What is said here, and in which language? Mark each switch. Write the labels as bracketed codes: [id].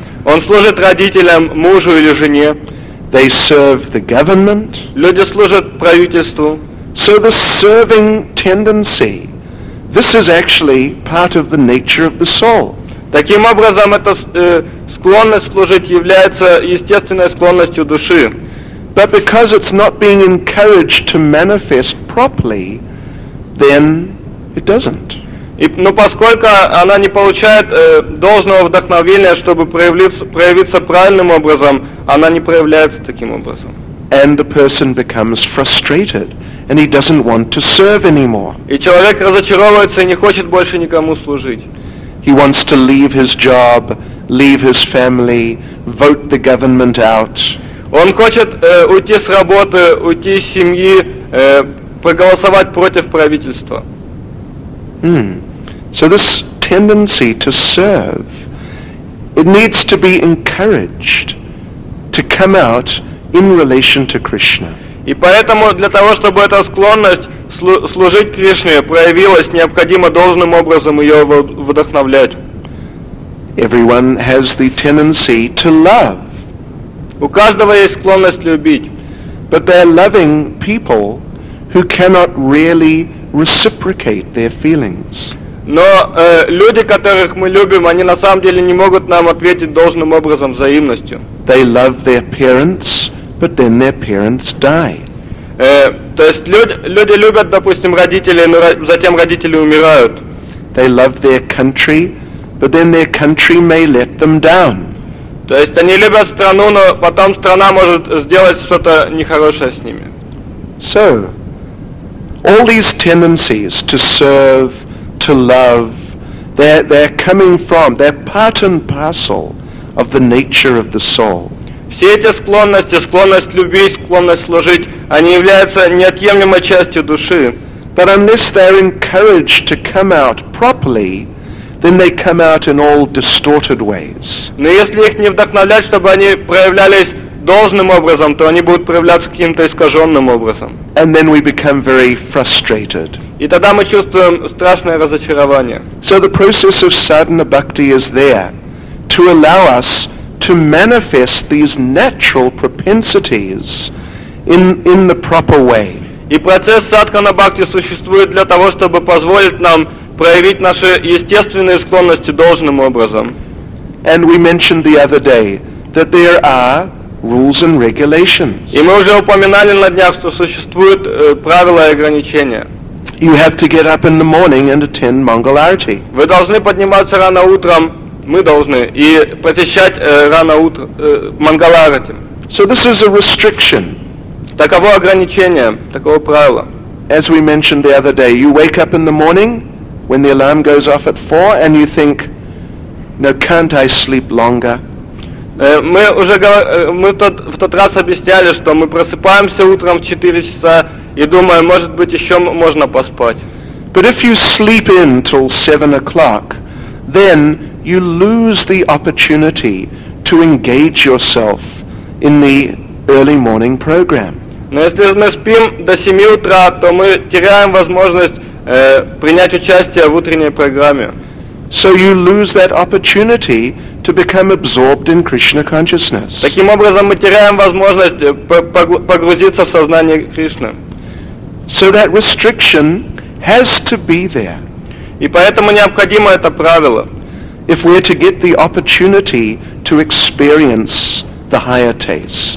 [ru] Он служит родителям, мужу или жене. [en] They serve the government. [ru] Люди служат правительству. [en] So the serving tendency, this is actually part of the nature of the soul. [ru] Таким образом, эта склонность служить является естественной склонностью души. [en] But because it's not being encouraged to manifest properly, then it doesn't. [ru] Но поскольку она не получает должного вдохновения, чтобы проявиться правильным образом, она не проявляется таким образом. [en] And the person becomes frustrated, and he doesn't want to serve anymore. [ru] И человек разочаровывается и не хочет больше никому служить. [en] He wants to leave his job, leave his family, vote the government out. [ru] Он хочет уйти с работы, уйти из семьи, проголосовать против правительства. [en] So this tendency to serve, it needs to be encouraged to come out in relation to Krishna. [ru] И поэтому для того, чтобы эта склонность служить Кришне проявилась, необходимо должным образом ее вдохновлять. [en] Everyone has the tendency to love. [ru] У каждого есть склонность любить. [en] But they're loving people who cannot really reciprocate their feelings. [ru] Но люди, которых мы любим, они на самом деле не могут нам ответить должным образом взаимностью. [en] They love their parents, but then their parents die. [ru] То есть люди любят, допустим, родителей, но затем родители умирают. [en] They love their country, but then their country may let them down. [ru] То есть они любят страну, но потом страна может сделать что-то нехорошее с ними. [en] So all these tendencies to serve, to love, they're coming from, they're part and parcel of the nature of the soul. [ru] Все эти склонности, склонность любить, склонность служить, они являются неотъемлемой частью души. [en] But unless they're encouraged to come out properly, then they come out in all distorted ways. [ru] Но если их не вдохновлять, чтобы они проявлялись должным образом, то они будут проявляться каким-то искаженным образом. [en] And then we become very frustrated. [ru] И тогда мы чувствуем страшное разочарование. [en] So the process of sadhana bhakti is there to allow us to manifest these natural propensities in the proper way. [ru] И процесс садхана бхакти существует для того, чтобы позволить нам проявить наши естественные склонности должным образом. [en] And we mentioned the other day that there are rules and regulations. [ru] И мы уже упоминали на днях, что существуют правила и ограничения. [en] You have to get up in the morning and attend Mangal Arati. [ru] Вы должны подниматься рано утром, мы должны, и посещать рано утром Mangal Arati. [en] So this is a restriction. [ru] Таково ограничение, таково правило. [en] As we mentioned the other day, you wake up in the morning when the alarm goes off at 4 and you think, "No, can't I sleep longer?" [ru] Мы уже в тот раз объясняли, что мы просыпаемся утром в 4 часа и думаем, может быть, еще можно поспать. [en] But if you sleep in till 7 o'clock, then you lose the opportunity to engage yourself in the early morning program. [ru] Но если мы спим до 7 утра, то мы теряем возможность принять участие в утренней программе. [en] So you lose that opportunity to become absorbed in Krishna consciousness. [ru] Таким образом, мы теряем возможность погрузиться в сознание Кришны. [en] So that restriction has to be there. [ru] И поэтому необходимо это правило. [en] If we are to get the opportunity to experience the higher tastes.